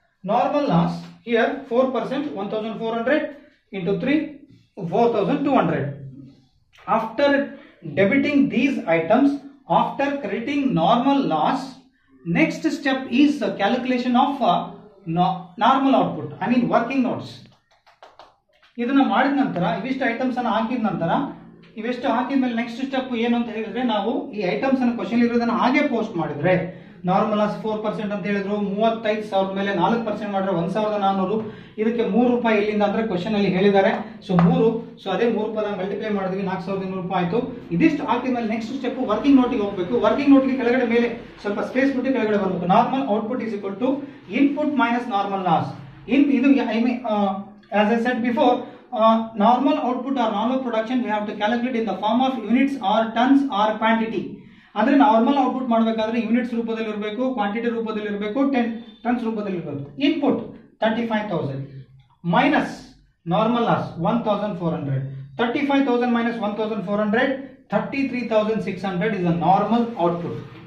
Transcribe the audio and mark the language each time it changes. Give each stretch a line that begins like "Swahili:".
English: Normal loss, here, 4%, 1,400 into 3, 4,200. After debiting these items, after crediting normal loss, next step is the calculation of normal output, I mean working notes.
Kannada: ಇದನ್ನ ಮಾಡಿದ ನಂತರ ಇವಿಷ್ಟು items ಅನ್ನ ಹಾಕಿದ ನಂತರ ಇವಿಷ್ಟು ಹಾಕಿದ ಮೇಲೆ ನೆಕ್ಸ್ಟ್ ಸ್ಟೆಪ್ ಏನು ಅಂತ ಹೇಳಿದ್ರೆ, ನಾವು ಈ ಐಟಮ್ಸ್ ಅನ್ನ ಕ್ವಶನ್ ಇರೋದನ್ನ ಹಾಗೆ ಪೋಸ್ಟ್ ಮಾಡಿದ್ರೆ, ನಾರ್ಮಲ್ ಆಸ್ 4% ಅಂತ ಹೇಳಿದ್ರು, 35,000 ಮೇಲೆ 4% ಮಾಡಿದ್ರೆ 1,400, ಇದಕ್ಕೆ 3 ರೂಪಾಯಿ ಇಲ್ಲಿಂದ ಅಂದ್ರೆ ಕ್ವಶನ್ ಅಲ್ಲಿ ಹೇಳಿದ್ದಾರೆ, ಸೊ 3, ಸೊ ಅದೇ 3 ರೂಪಾಯಿ ಮಲ್ಟಿಪ್ಲೈ ಮಾಡಿದ್ವಿ, 4,200 ರೂಪಾಯಿ ಆಯ್ತು. ಇದಿಷ್ಟು ಹಾಕಿದ ಮೇಲೆ ನೆಕ್ಸ್ಟ್ ಸ್ಟೆಪ್ ವರ್ಕಿಂಗ್ ನೋಟ್ಗೆ ಹೋಗ್ಬೇಕು. ವರ್ಕಿಂಗ್ ನೋಟ್ಗೆ ಕೆಳಗಡೆ ಮೇಲೆ ಸ್ವಲ್ಪ ಸ್ಪೇಸ್ ಬಿಟ್ಟು ಕೆಳಗಡೆ ಬರ್ಬೇಕು.
English: Normal output is equal to input minus normal loss. In ಇದು I mean as I said before, normal output or normal production we have to calculate in the form of units or tons or quantity.
Kannada: ಅಂದ್ರೆ normal output ಮಾಡಬೇಕಾದ್ರೆ units ರೂಪದಲ್ಲಿ ಇರಬೇಕು, quantity ರೂಪದಲ್ಲಿ ಇರಬೇಕು, ten tons ರೂಪದಲ್ಲಿ ಇರಬೇಕು.
English: Input 35,000 minus normal loss 1,400. 35,000 minus 1,400, 33,600 is a normal output.